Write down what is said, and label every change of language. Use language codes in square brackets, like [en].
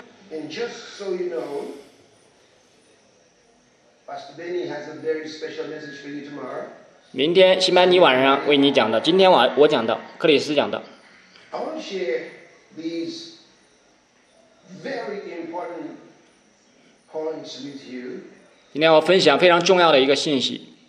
[en] And just so you know, Pastor Benny has a very special message for you tomorrow. [zh] 明天西班尼晚上为你讲的，今天我讲的，克里斯讲的。 [en] I want to share these very important points with you. [zh] 今天我分享非常重要的一个信息。